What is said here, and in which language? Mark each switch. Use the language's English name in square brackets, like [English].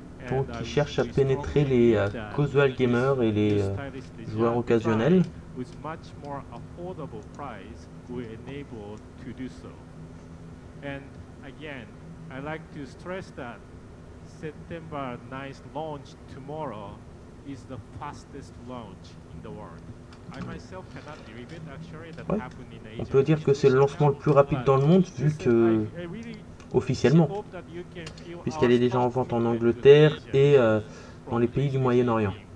[French] Donc, ils cherchent à pénétrer les casual gamers et les joueurs occasionnels. [English] With much more affordable price, we're enabled to do so. And again, I like to stress that September 9th launch tomorrow is the fastest launch in the world. I myself cannot believe it. Actually, that [French] ouais. [English] Happened in Asia. [French] On peut dire que c'est le lancement le plus rapide dans le monde, vu que officiellement, puisqu'elle est déjà en vente en Angleterre et dans les pays du Moyen-Orient.